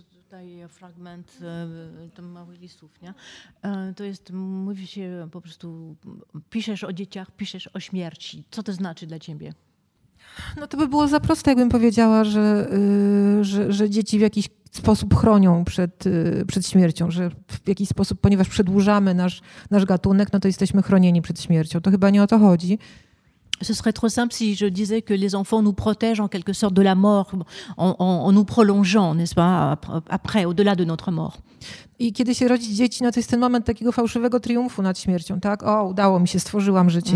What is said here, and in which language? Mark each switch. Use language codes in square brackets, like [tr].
[pl] Tutaj fragment małych listów, nie? To jest, mówi się po prostu, piszesz o dzieciach, piszesz o śmierci. Co to znaczy dla ciebie? No to by było za proste, jakbym powiedziała, że dzieci w jakiś sposób chronią przed śmiercią, że w jakiś sposób, ponieważ przedłużamy nasz gatunek, no to jesteśmy chronieni przed śmiercią. To chyba nie o to chodzi. [fr] Ce serait trop simple si je disais que les enfants nous protègent en quelque sorte de la mort, en nous prolongeant, n'est-ce pas, après, au-delà de notre mort. [pl] Et kiedy się rodzi dzieci, no to jest ten moment takiego fałszywego triumfu nad śmiercią, tak? O, udało mi się, stworzyłam życie.